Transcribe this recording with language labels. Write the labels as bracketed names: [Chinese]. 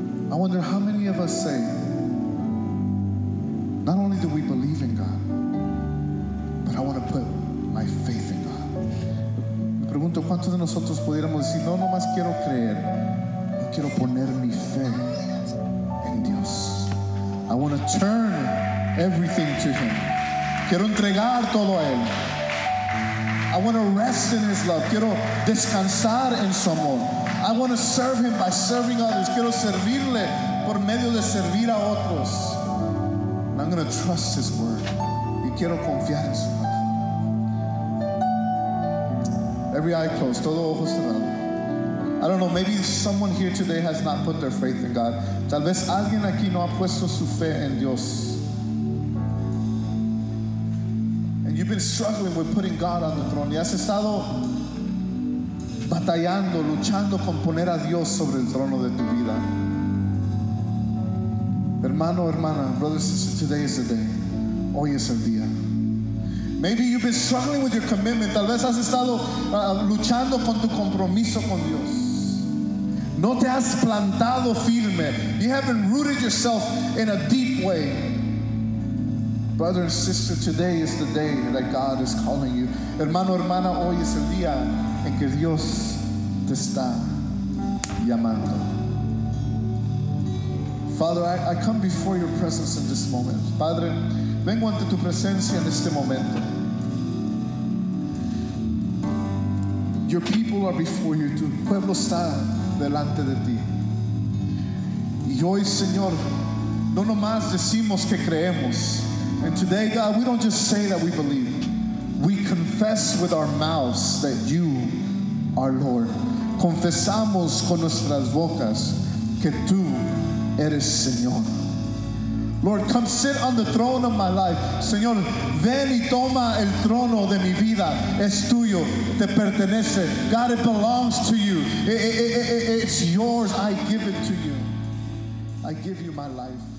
[English] I wonder how many of us say, not only do we believe in God, but I want to put my faith in God. [Spanish] Me pregunto cuántos de nosotros pudiéramos decir, no, nomás quiero creer. Yo quiero poner mi fe en Dios. [English] I want to turn everything to Him. [Spanish] Quiero entregar todo a Él. [English] I want to rest in His love. [Spanish] Quiero descansar en su amor. [English] I want to serve Him by serving others. [Spanish] Quiero servirle por medio de servir a otros. [English] And I'm going to trust His word. [Spanish] Y quiero confiar en su palabra. [English] Every eye closed. [Spanish] Todo ojo cerrado. [English] I don't know. Maybe someone here today has not put their faith in God. [Spanish] Tal vez alguien aquí no ha puesto su fe en Dios. [English] Been struggling with putting God on the throne. [Spanish] Y has estado batallando, luchando con poner a Dios sobre el trono de tu vida. Hermano, hermana, [English] brother, sister, today is the day. [Spanish] Hoy es el día. [English] Maybe you've been struggling with your commitment. [Spanish] Tal vez has estado luchando con tu compromiso con Dios. No te has plantado firme. [English] You haven't rooted yourself in a deep way. Brother and sister, today is the day that God is calling you. [Spanish] Hermano, hermana, hoy es el día en que Dios te está llamando. [English] Father, I come before your presence in this moment. [Spanish] Padre, vengo ante tu presencia en este momento. [English] Your people are before you. [Spanish] Tu pueblo está delante de ti. Y hoy, Señor, no nomás decimos que creemos. [English] And today, God, we don't just say that we believe. We confess. confess with our mouths that you are Lord. [Spanish] Confesamos con nuestras bocas que tú eres Señor. [English] Lord, come sit on the throne of my life. [Spanish] Señor, ven y toma el trono de mi vida. Es tuyo, te pertenece. [English] God, it belongs to you. It's yours. I give it to you. I give you my life.